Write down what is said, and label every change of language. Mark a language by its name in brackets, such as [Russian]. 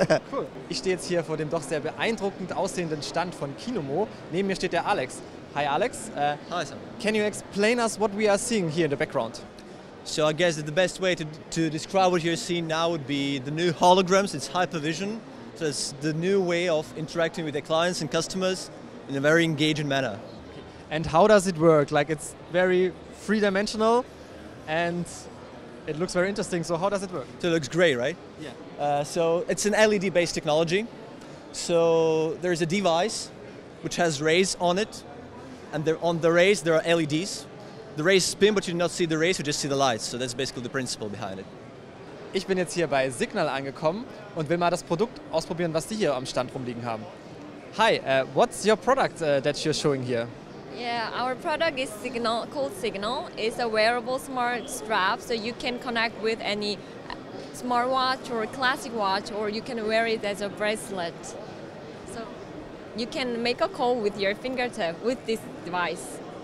[German] Cool. Ich stehe jetzt hier vor dem doch sehr beeindruckend aussehenden Stand von Kinomo. Neben mir steht der Alex. Hi Alex. [English] Hi Sam. Can you explain us what we are seeing here in the background? So I guess that the best way to describe what you're seeing now would be the new holograms. It's hypervision. So it's the new way of interacting with the clients and customers in a very engaging manner. Okay. And how does it work? Like, it's very three-dimensional and it looks very interesting, so how does it work? So it looks great, right? Yeah. So it's an LED-based technology. So there's a device which has rays on it, and on the rays there are LEDs. The rays spin, but you do not see the rays, you just see the lights. So that's basically the principle behind it. [German] Ich bin jetzt hier bei Signal angekommen und will mal das Produkt ausprobieren, was die hier am Stand rumliegen haben. [English] Hi, what's your product that you're showing here? Yeah, our product is called Signal. It's a wearable smart strap, so you can connect with any smartwatch or classic watch, or you can wear it as a bracelet. So you can make a call with your fingertip with this device.